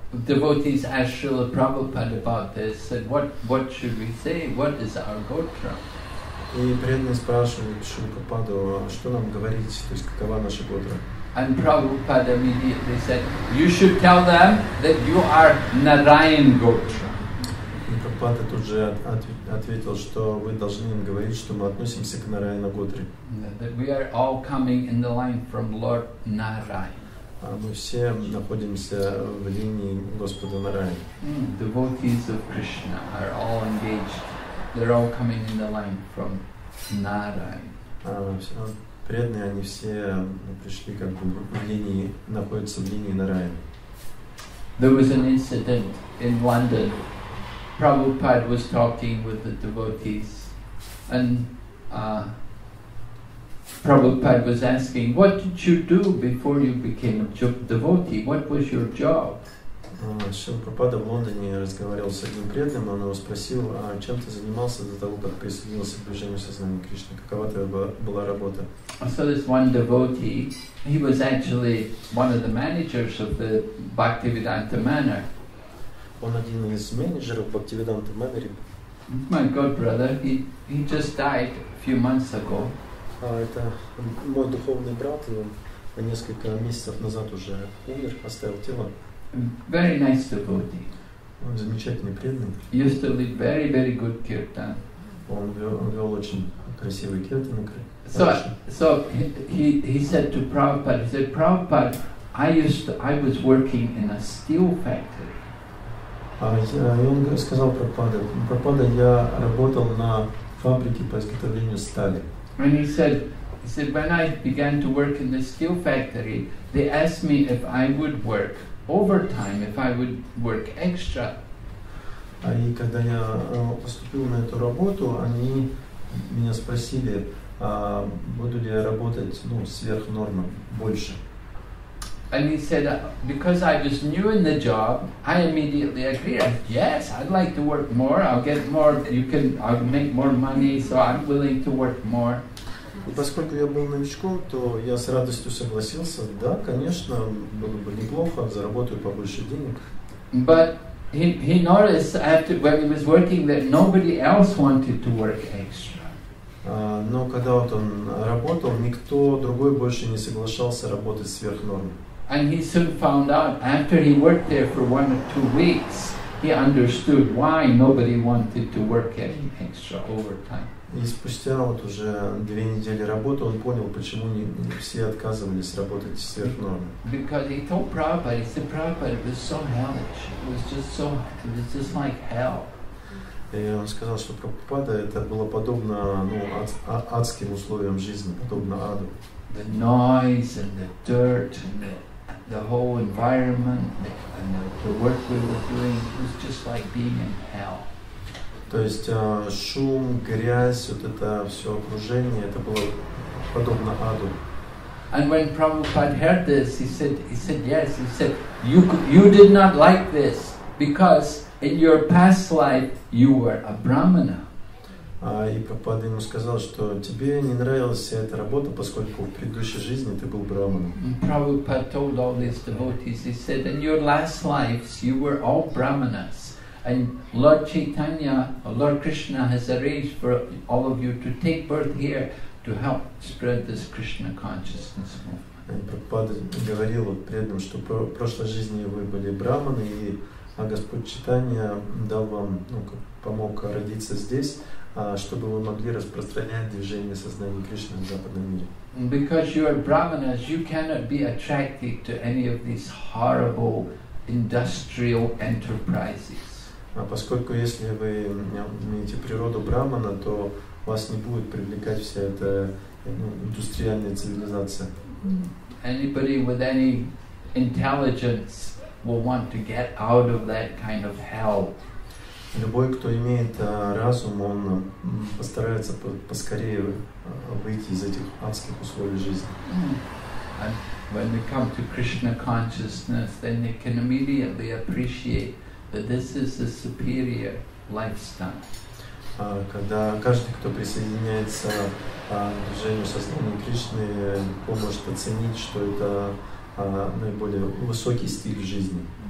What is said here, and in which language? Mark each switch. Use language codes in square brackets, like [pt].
[en] Devotees asked Srila Prabhupada about this, said, what should we say? What is our gotra? [ru] И преданные спрашивают Шрилу Прабхупаду, что нам говорить, то есть какова наша готра? [en] And Prabhupada immediately said, you should tell them that you are Narayan gotra. [ru] И Прабхупада тут же ответил, что вы должны им говорить, что мы относимся к Нараяна готре. [en] That we are all coming in the line from Lord Narayan. [ru] Мы все находимся в линии Господа Нараяны. [en] Devotees of Krishna are all engaged. They're all coming in the line from Narayana. [ru] Преданные, они все пришли как бы в линии, находятся в линии Нараяны. [en] There was an incident in London. Prabhupada was talking with the devotees, and Prabhupada was asking, what did you do before you became a devotee? What was your job? [ru] Шрила Прабхупада в Лондоне разговаривал с одним преданным, он его спросил, чем ты занимался до того, как присоединился к движению сознания Кришны? Какова твоя была работа? [en] So this one devotee, he was actually one of the managers of the Bhaktivedanta Manor. [ru] Он один из менеджеров Бхактивиданта Манор. [en] My god brother, he just died a few months ago. [ru] Это мой духовный брат, и он несколько месяцев назад уже умер, оставил тело. [en] Very nice devotee. [ru] Он замечательный преданный. [en] He used to lead very, very good kirtan. [ru] Он вел очень красивый кирта на крыше. [en] So he said to Prabhupada, he said, Prabhupada, I was working in a steel factory. [ru] И он сказал Прабхупада, я работал на фабрике по изготовлению стали. [en] And he said, when I began to work in the steel factory, they asked me if I would work overtime, if I would work extra. [ru] И когда я поступил на эту работу, они меня спросили, буду ли я работать, ну, сверх нормы, больше. [en] And he said, because I was new in the job, I immediately agreed. Yes, I'd like to work more. I'll get more. I'll make more money, so I'm willing to work more. [ru] И поскольку я был новичком, то я с радостью согласился. Да, конечно, было бы неплохо, заработаю побольше денег. [en] But he noticed after when he was working that nobody else wanted to work extra. [ru] Но когда вот он работал, никто другой больше не соглашался работать сверх нормы. [en] And he soon found out, after he worked there for one or two weeks, he understood why nobody wanted to work any extra overtime. [ru] И спустя вот уже две недели работы он понял, почему не все отказывались работать сверх нормы. [en] Because he told Prabhupada, he said, Prabhupada, it was so much, it was just like hell. [ru] И он сказал, что Прабхупада, это было подобно адским условиям жизни, подобно аду. [en] The noise and the dirt and the whole environment and the work we were doing was just like being in hell. [ru] То есть шум, грязь, вот это все окружение, это было подобно аду. [en] And when Prabhupada heard this, he said, yes, he said, you did not like this because in your past life you were a brahmana. [ru] И Прабхупада ему сказал, что тебе не нравилась вся эта работа, поскольку в предыдущей жизни ты был брахманом. [en] And Prabhupada told all these devotees, he said, in your last lives you were all brahmanas. And Lord Chaitanya, Lord Krishna has arranged for all of you to take birth here to help spread this Krishna consciousness movement. [ru] Прабхупада говорил преданным, что в прошлой жизни вы были брахманы, и Господь Чайтанья дал вам, помог родиться здесь, чтобы вы могли распространять движение сознания Кришны в западном мире. [en] Because you are brahmanas, you cannot be attracted to any of these horrible industrial enterprises. [ru] А поскольку если вы имеете природу брахмана, то вас не будет привлекать вся эта индустриальная цивилизация. [en] Anybody with any intelligence will want to get out of that kind of hell. [ru] Любой, кто имеет разум, он постарается поскорее выйти из этих адских условий жизни. [en] And when they come to Krishna consciousness, then they can immediately appreciate that this is a superior lifestyle. [ru] Когда каждый, кто присоединяется к движению сознания Кришны, поможет оценить, что это наиболее высокий стиль жизни.